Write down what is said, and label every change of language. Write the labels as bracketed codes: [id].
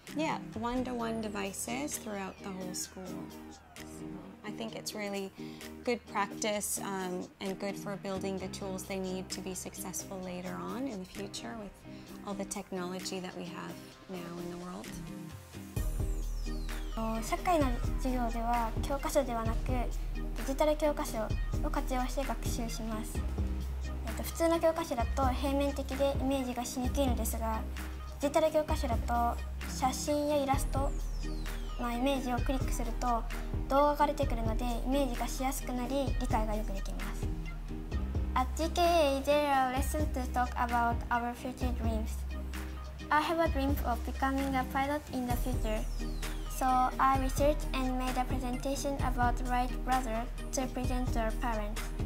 [en] Yeah, one-to-one devices throughout the whole school. I think it's really good practice and good for building the tools they need to be successful later on in the future with all the technology that we have now in the world. [ja] 社会の授業では教科書ではなくデジタル教科書を活用して学習します。普通の教科書だと平面的でイメージがしにくいのですが、デジタル教科書だと写真やイラストのイメージをクリックすると動画が出てくるのでイメージがしやすくなり理解がよくできます。 [en] At GKA, there are lessons to talk about our future dreams. I have a dream of becoming a pilot in the future. So I researched and made a presentation about Wright Brothers to present to our parents.